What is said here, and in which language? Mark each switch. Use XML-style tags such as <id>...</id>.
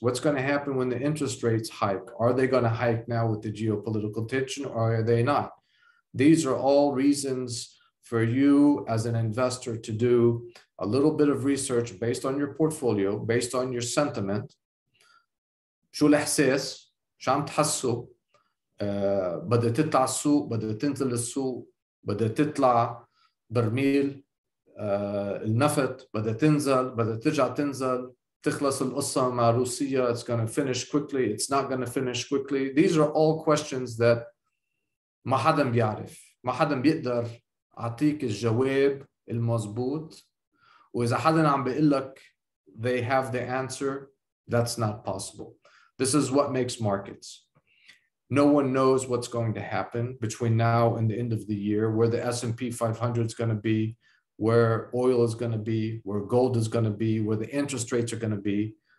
<en>What's going to happen when the interest rates hike? Are they going to hike now with the geopolitical tension, or are they not? These are all reasons for you as an investor to do a little bit of research based on your portfolio, based on your sentiment.</en> <ar>شو الاحساس شو عم تحسوا بدها تطلع السوق بدها تنزل السوق بدها تطلع برميل النفط بدها تنزل بدها ترجع تنزل تخلص القصه مع روسيا.</ar> <en>It's going to finish quickly, it's not going to finish quickly. These are all questions that</en> <ar>ما حدا بيعرف, ما حدا بيقدر اعطيك الجواب المزبوط. واذا حدا عم بيقول لك</ar> <en>they have the answer, that's not possible. This is what makes markets. No one knows what's going to happen between now and the end of the year, where the S&P 500 is going to be, where oil is going to be, where gold is going to be, where the interest rates are going to be.</en>